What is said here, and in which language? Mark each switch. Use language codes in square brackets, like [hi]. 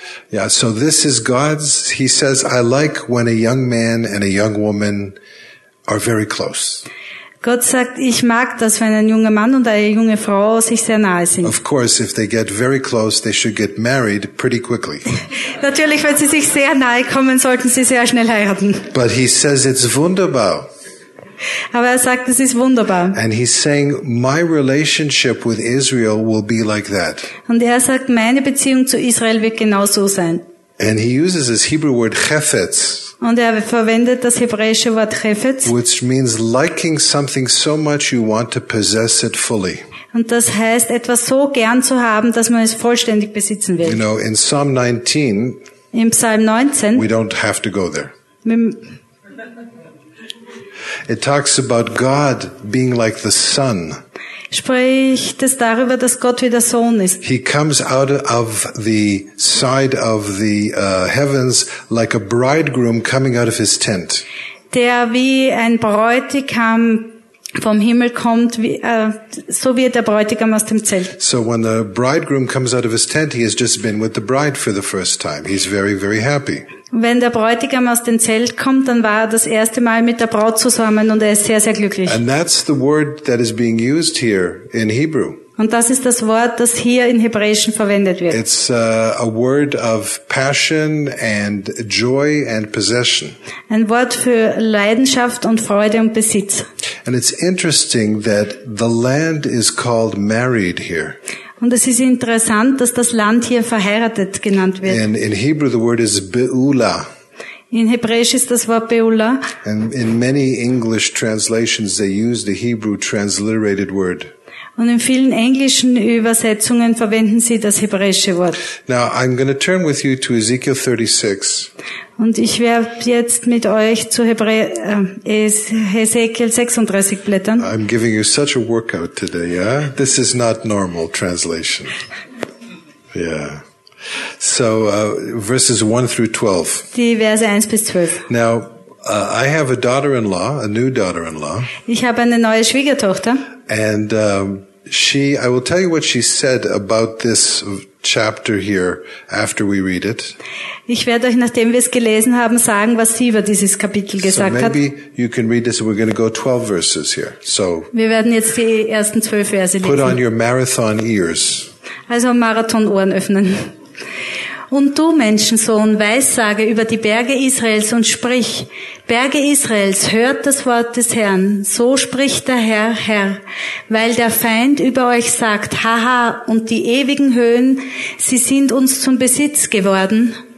[en] Ja, so this is God's, he says, I like when a young man and a young woman are very close. [de] Gott sagt, ich mag das, wenn ein junger Mann und eine junge Frau sich sehr nahe sind. [en] Of course, if they get very close, they should get married pretty quickly. [de] Natürlich, wenn sie sich sehr nahe kommen, sollten sie sehr schnell heiraten. [en] But he says it's wunderbar. [de] Aber er sagt, es ist wunderbar. [en] And he's saying, my relationship with Israel will be like that. [de] Und er sagt, meine Beziehung zu Israel wird genau so sein. [en] And he uses his Hebrew word chefetz. [de] Und er verwendet das hebräische Wort chefetz. [en] Which means liking something so much you want to possess it fully. [de] Und das heißt, etwas so gern zu haben, dass man es vollständig besitzen will. [en] You know, in Psalm 19. [de] Im Psalm 19. [en] We don't have to go there. It talks about God being like the sun. [de] Spricht es darüber, dass Gott wie der Sohn ist. [en] He comes out of the side of the heavens like a bridegroom coming out of his tent. [de] Der wie ein Bräutigam vom Himmel kommt, wie, so wie der Bräutigam aus dem Zelt. [en] So when the bridegroom comes out of his tent, he has just been with the bride for the first time. He's very, very happy. [de] Wenn der Bräutigam aus dem Zelt kommt, dann war er das erste Mal mit der Braut zusammen und er ist sehr, sehr glücklich. [en] And that's the word that is being used here in Hebrew. [de] Und das ist das Wort, das hier in Hebräischen verwendet wird. [en] It's a word of passion and joy and possession. [de] Ein Wort für Leidenschaft und Freude und Besitz. [en] And it's interesting that the land is called married here. [de] Und es ist interessant, dass das Land hier verheiratet genannt wird. [en] In Hebrew the word is Beula. [de] In Hebräisch ist das Wort Beula. [en] And in many English translations they use the Hebrew transliterated word. [de] Und in vielen englischen Übersetzungen verwenden sie das hebräische Wort. [en] Now I'm going to turn with you to Ezekiel 36. [de] Und ich werde jetzt mit euch zu Ezekiel 36 blättern. [en] I'm giving you such a workout today, yeah? This is not normal translation. Yeah. So verses 1 through 12. [de] Die Verse 1 bis 12. [en] Now I have a daughter-in-law, a new daughter-in-law. [de] Ich habe eine neue Schwiegertochter. [en] And I will tell you what she said about this chapter here after we read it. [de] Ich werde euch, nachdem wir es gelesen haben, sagen, was sie über dieses Kapitel gesagt hat. [en] So maybe you can read this. We're going to go 12 verses here. [de] So wir werden jetzt die ersten 12 Verse lesen. [en] Put on your marathon ears. [de] Also Marathon-Ohren öffnen. Und du, Menschensohn, weissage über die Berge Israels und sprich, Berge Israels, hört das Wort des Herrn, so spricht der Herr, Herr, weil der Feind über euch sagt, haha, und die ewigen Höhen, sie sind uns zum Besitz geworden.